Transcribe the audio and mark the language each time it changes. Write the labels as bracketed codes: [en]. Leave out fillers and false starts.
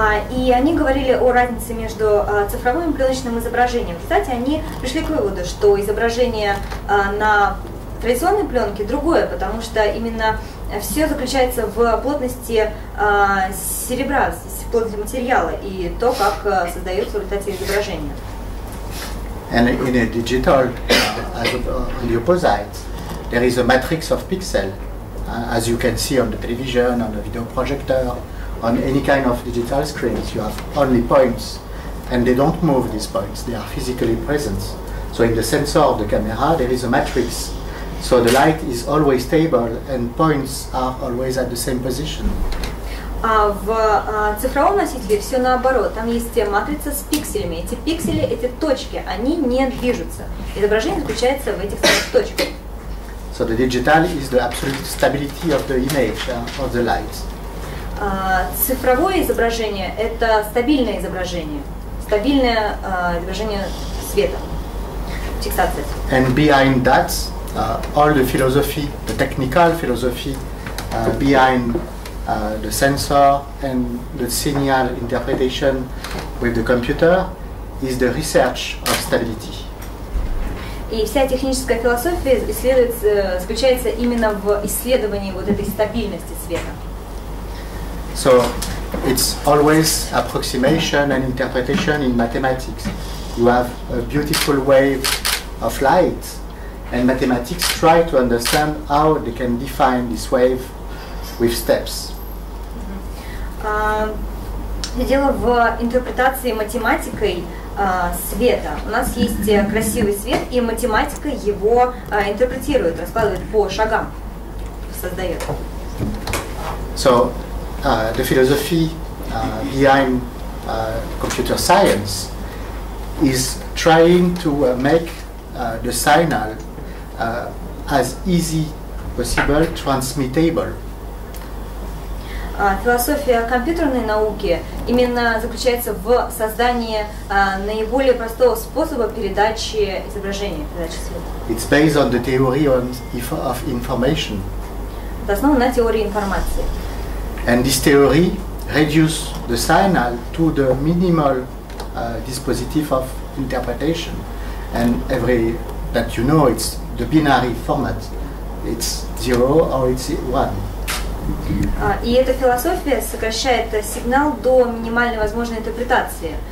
[ru] И они говорили о разнице между цифровым и пленочным изображением. Кстати, они пришли к выводу, что изображение на традиционной пленке другое, потому что именно все заключается в плотности серебра, в плотности материала и то, как создается в результате изображение. [en] And in a digital, on the opposite, there is a matrix of pixels, as you can see on the television, on the video projector, on any kind of digital screens, you have only points, and they don't move these points, they are physically present. So in the sensor of the camera, there is a matrix. So the light is always stable, and points are always at the same position. [ru] В цифровом носителе все наоборот. Там есть те матрица с пикселями. Эти пиксели, эти точки, они не движутся. Изображение заключается в этих точках. [en] So the digital is the absolute stability of the image of the light. [ru] Цифровое изображение – это стабильное изображение. Стабильное изображение света. Фиксация. [en] And behind that, all the philosophy, the technical philosophy behind the sensor and the signal interpretation with the computer is the research of stability. [ru] И вся техническая философия заключается именно в исследовании вот этой стабильности света. [en] So it's always approximation and interpretation in mathematics. You have a beautiful wave of light, and mathematics try to understand how they can define this wave with steps. [ru] Дело в интерпретации математикой света. У нас есть красивый свет, и математика его интерпретирует, раскладывает по шагам, создает. [en] So, the philosophy behind computer science is trying to make the signal as easy possible transmittable. [ru] Философия компьютерной науки именно заключается в создании наиболее простого способа передачи изображения, передачи света. [en] It's based on the theory of information. [ru] Это основано на теории информации. [en] And this theory reduces the signal to the minimal dispositive of interpretation. And every that you know, it's the binary format. It's zero or it's one. [ru] И эта философия сокращает сигнал до минимальной возможной интерпретации.